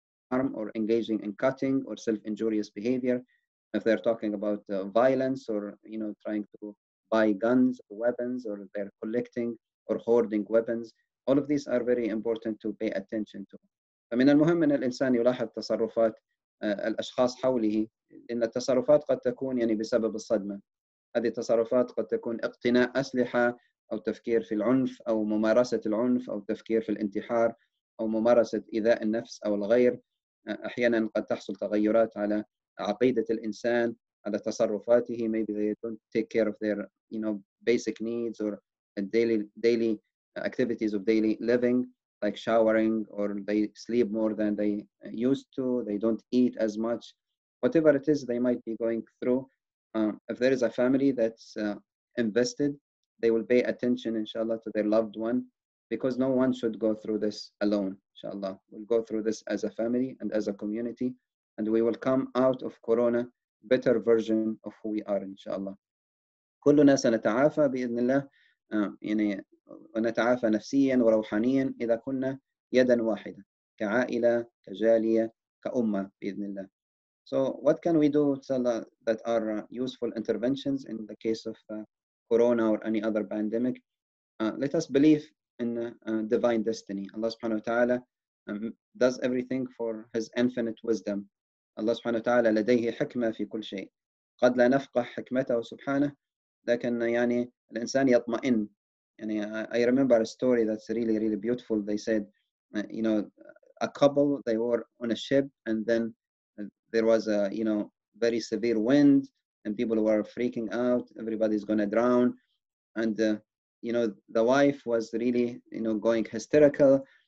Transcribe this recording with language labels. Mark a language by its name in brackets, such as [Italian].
[English] Harm or engaging in cutting or self-injurious behavior, if they're talking about violence or trying to buy guns or weapons, or they're collecting or hoarding weapons, all of these are very important to pay attention to. [Arabic] فمن المهم أن الإنسان يلاحظ تصرفات الأشخاص حوله, لأن التصرفات قد تكون بسبب الصدمة. هذه التصرفات قد تكون اقتناء أسلحة أو تفكير في العنف أو ممارسة العنف أو تفكير في الانتحار أو ممارسة إيذاء النفس أو الغير. أحياناً قد تحصل تغيرات على عقيدة الإنسان على تصرفاته. [English] Maybe they don't take care of their, you know, basic needs or daily activities of daily living, like showering, or they sleep more than they used to, they don't eat as much, whatever it is they might be going through. If there is a family that's invested, they will pay attention, inshallah, to their loved one, because no one should go through this alone, inshallah. We'll go through this as a family and as a community, and we will come out of corona better version of who we are, inshallah. [Arabic] كلنا سنتعافى بإذن الله, يعني ونتعافى نفسيا وروحانيا إذا كنا يدا واحدة كعائلة كجالية كأمة بإذن الله. [English] So what can we do that are useful interventions in the case of corona or any other pandemic? Let us believe in divine destiny. Allah subhanahu wa ta'ala does everything for his infinite wisdom. [Arabic] Allah subhanahu wa ta'ala لديه حكمة في كل شيء. قد لا نفقه حكمته سبحانه, لكن يعني الإنسان يطمئن. [English] يعني I remember a story that's really, really beautiful. They said, you know, a couple, they were on a ship, and then there was a, you know, very severe wind, and people were freaking out, everybody's gonna drown. And, you know, the wife was really, you know, going hysterical.